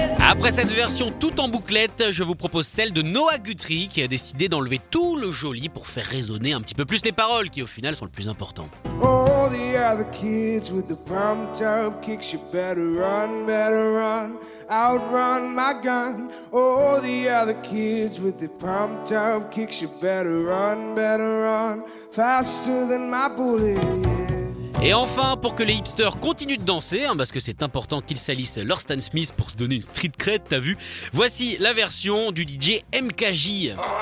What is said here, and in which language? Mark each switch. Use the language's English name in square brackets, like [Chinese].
[French] Après cette version tout en bouclette, je vous propose celle de Noah Guthrie qui a décidé d'enlever tout le joli pour faire résonner un petit peu plus les paroles qui au final sont le plus important. [English] All the other kids with the pumped up kicks, you better run, outrun my gun. All the other kids with the pumped up kicks, you better run, faster than my bullet. [French] Et enfin, pour que les hipsters continuent de danser, hein, parce que c'est important qu'ils salissent leur Stan Smith pour se donner une street cred, t'as vu, voici la version du DJ MKJ.